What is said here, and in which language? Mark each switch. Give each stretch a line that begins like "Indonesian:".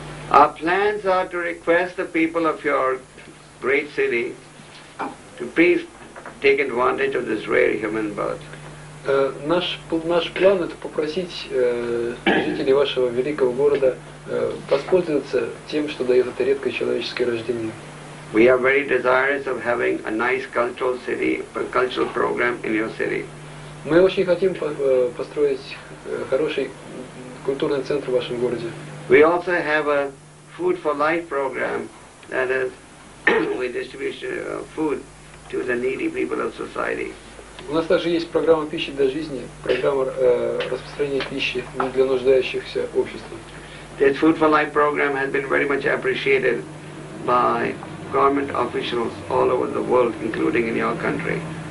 English: Our plans are to request the people of your great city to please take advantage of this rare human birth.
Russian: Наш план — это попросить жителей вашего великого города воспользоваться тем, что дает это редкое человеческое рождение.
English: We are very desirous of having a nice cultural city, a cultural program in your city.
Russian: Мы очень хотим построить хороший культурный центр в вашем городе.
English: We also have a food for life program, that is, we distribute food to the needy people of society.
Russian: У нас также есть программа пищи для жизни, программа распространения пищи для нуждающихся общества.
English: This food for life program has been very much appreciated by government officials all over the world, including in your country.